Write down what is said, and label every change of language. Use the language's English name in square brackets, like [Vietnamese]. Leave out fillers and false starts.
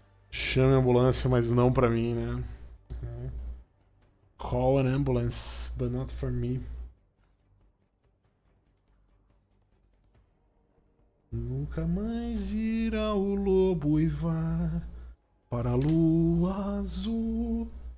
[Portuguese] Chame a ambulância, mas não pra mim, né? [English] Call an ambulance, but not for me. [Portuguese] Nunca mais irá o lobo uivar para a lua azul.